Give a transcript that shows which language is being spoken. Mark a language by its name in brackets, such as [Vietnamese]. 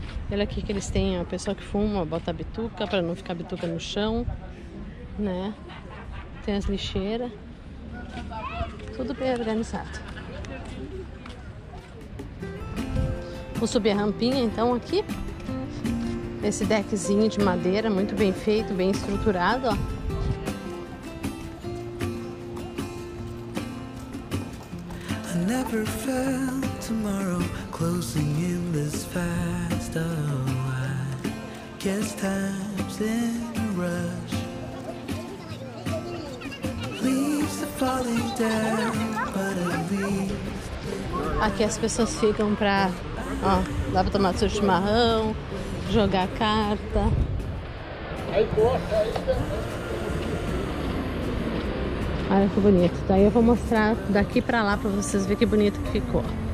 [Portuguese] Olha aqui que eles têm, ó, o pessoal que fuma, bota a bituca pra não ficar bituca no chão, né? Tem as lixeiras. Tudo bem organizado. Vou subir a rampinha então aqui. Esse deckzinho de madeira, muito bem feito, bem estruturado, ó. [English] I never felt tomorrow closing in this fast. Oh, I guess time's in a rush. Leaves are falling down, but at least... [Portuguese] Aqui as pessoas ficam pra... Ó, dá pra tomar seu chimarrão, jogar carta. Olha que bonito. Daí eu vou mostrar daqui pra lá pra vocês verem que bonito que ficou.